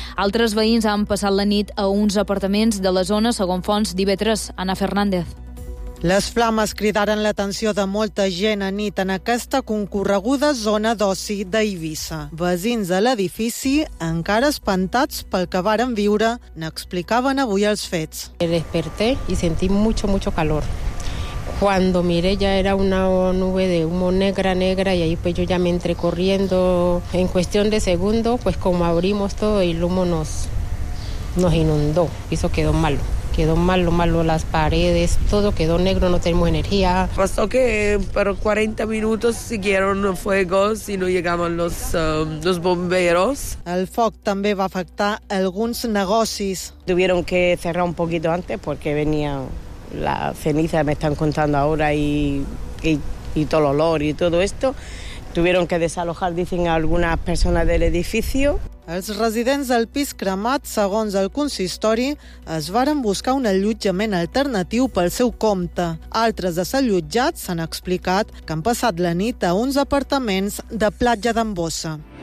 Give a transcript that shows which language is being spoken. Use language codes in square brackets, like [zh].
[ca] Altres veïns han passat la nit a uns apartaments de la zona, segons fonts d'IV3, Ana Fernández. Les flames cridaren l'atenció de molta gent a nit en aquesta concorreguda zona d'oci d'Eivissa. Veïns de l'edifici, encara espantats pel que varen viure, n'explicaven avui els fets. [es] Me desperté y sentí mucho, mucho calor. Cuando miré ya era una nube de humo negra, negra, y ahí pues yo ya me entré corriendo. En cuestión de segundo, pues como abrimos todo, el humo nos inundó. Eso quedó malo. Quedó malo, malo las paredes, todo quedó negro, no tenemos energía. Pasó que por 40 minutos siguieron fuegos y no llegaban los bomberos. [ca] El foc també va afectar alguns negocis. [es] Tuvieron que cerrar un poquito antes porque venía la ceniza, me están contando ahora, y todo el olor y todo esto. Tuvieron que desalojar, dicen, a algunas personas del edificio. [ca] Els residents del pis cremat, segons el consistori, es varen buscar un allotjament alternatiu pel seu compte. Altres desallotjats s'han explicat que han passat la nit a uns apartaments de Platja d'en Bossa.